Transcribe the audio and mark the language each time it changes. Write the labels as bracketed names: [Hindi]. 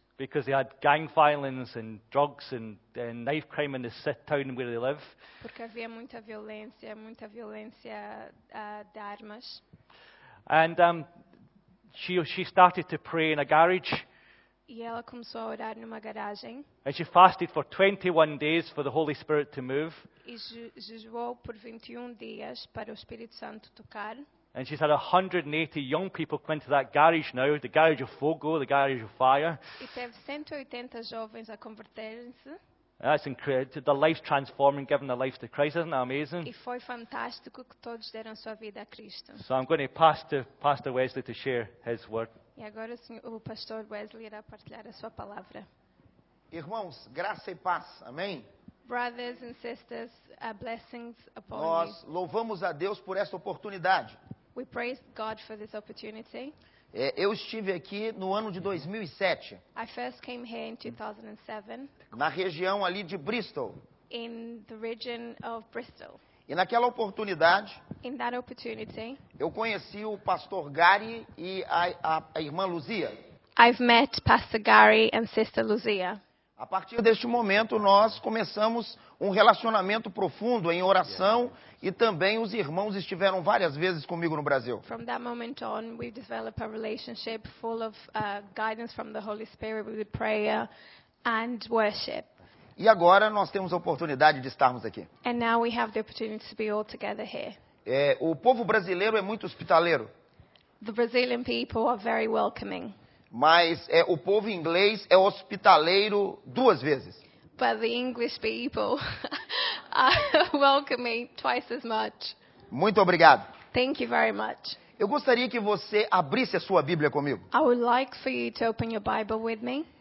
[English] Because they had gang violence and drugs and knife crime in the town where they live. [Portuguese] Porque havia muita violência de armas. [English] And she started to pray in a garage. [Portuguese] E ela começou a orar numa garagem. [English] And she fasted for 21 days for the Holy Spirit to move. [Portuguese] E jejuou por 21 dias para o Espírito Santo tocar. [English] And she's had 180 young people come into that garage now, the garage of fogo, the garage of fire. [Portuguese] E teve 180 jovens a converterem-se. [English] That's incredible. The life transforming, giving their life to Christ, isn't that amazing? [Portuguese] E foi fantástico que todos deram sua vida a Cristo. [English] So I'm going to pass to Pastor Wesley to share his word. [Portuguese] E agora o pastor Wesley irá partilhar a sua palavra. Irmãos, graça e paz. Amém? [English] Brothers and sisters, blessings upon you. [Portuguese] Nós louvamos a Deus por esta oportunidade. [English] We praise God for this opportunity. [Portuguese] Eu estive aqui no ano de 2007. [English] I first came here in 2007. [Portuguese] Na região ali de Bristol. [English] In the region of Bristol. [Portuguese] E naquela oportunidade, [English] in that opportunity, [Portuguese] eu conheci o pastor Gary e a irmã Luzia. [English] I've met Pastor Gary and Sister Luzia. [Portuguese] A partir deste momento, nós começamos um relacionamento profundo em oração e também os irmãos estiveram várias vezes comigo no Brasil. [English] From that moment on, we developed a relationship full of guidance from the Holy Spirit with prayer and worship. [Portuguese] E agora nós temos a oportunidade de estarmos aqui. [English] And now we have the opportunity to be all together here. [Portuguese] O povo brasileiro é muito hospitaleiro. [English] The Brazilian people are very welcoming. [Portuguese] Mas o povo inglês é hospitaleiro duas vezes. [English] But the English people are welcoming twice as much. [Portuguese] Muito obrigado. [English] Thank you very much. [Portuguese] Eu gostaria que você abrisse a sua Bíblia comigo. [English] I would like for you to open your Bible with me.